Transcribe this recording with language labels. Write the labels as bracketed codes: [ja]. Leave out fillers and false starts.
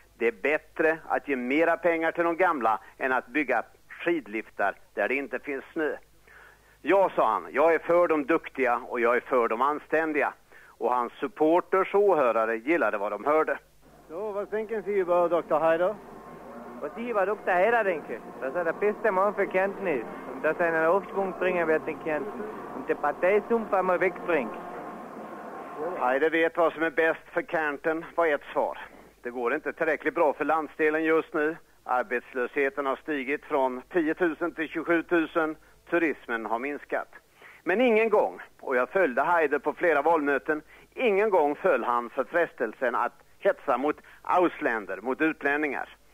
[sv] Det är bättre att ge mera pengar till de gamla än att bygga skidliftar där det inte finns snö. Ja, sa han, jag är för de duktiga och jag är för de anständiga. Och hans supporters och åhörare gillade vad de hörde. [en] So, what thinking do you about Dr. Haider? [de] Was ich über Dr. Haider denke, dass er der beste Mann für Kärnten ist und dass er einen Aufschwung bringen wird in Kärnten und die Parteisumpf einmal wegbringt. [sv] Haider vet vad som är bäst för Kärnten, var ett svar. Det går inte tillräckligt bra för landsdelen just nu. Arbetslösheten har stigit från 10 000 till 27 000. Turismen har minskat. Men ingen gång, och jag följde Haider på flera valmöten, ingen gång föll han för frestelsen att hetsa mot ausländer, mot utlänningar.